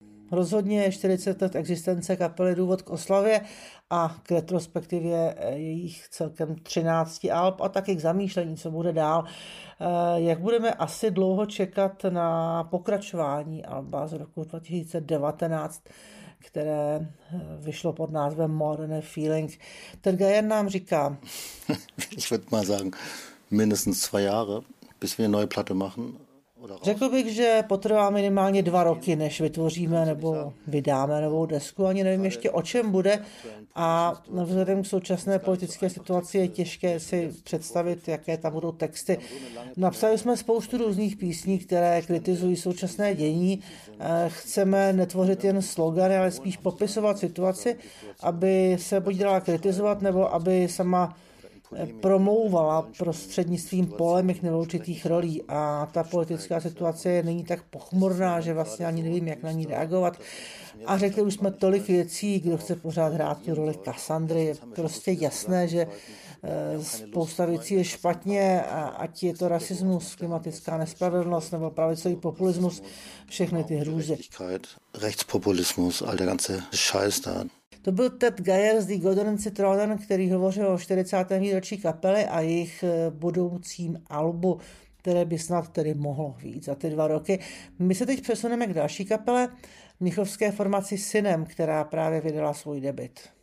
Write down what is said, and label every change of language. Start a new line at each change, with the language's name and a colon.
Czech: Rozhodně 40 let existence kapely důvod k oslavě a k retrospektivě jejich celkem 13 alb a taky k zamýšlení, co bude dál. Jak budeme asi dlouho čekat na pokračování alba z roku 2019, které vyšlo pod názvem Modern Feeling. Ted Geyer nám říká.
German: Ich würde mal sagen, mindestens 2 Jahre, bis wir eine neue Platte machen.
Czech: Řekl bych, že potrvá minimálně 2 roky, než vytvoříme nebo vydáme novou desku. Ani nevím ještě, o čem bude. A vzhledem k současné politické situaci je těžké si představit, jaké tam budou texty. Napsali jsme spoustu různých písní, které kritizují současné dění. Chceme netvořit jen slogany, ale spíš popisovat situaci, aby se buď dala kritizovat, nebo aby sama promlouvala prostřednictvím polemik nebo určitých rolí a ta politická situace je není tak pochmurná, že vlastně ani nevím, jak na ní reagovat. A řekli už jsme tolik věcí, kdo chce pořád hrát tu roli Kassandry. Je prostě jasné, že spousta věcí je špatně, a ať je to rasismus, klimatická nespravedlnost nebo pravicový populismus, všechny ty hrůzy.
German: Rechtspopulismus, all der ganze Scheiß da.
Czech: To byl Ted Geyer z The Goldenen Zitronen, který hovořil o 40. výročí kapely a jejich budoucím albu, které by snad tedy mohlo vyjít za ty 2 roky. My se teď přesuneme k další kapele, mnichovské formaci Synem, která právě vydala svůj debut.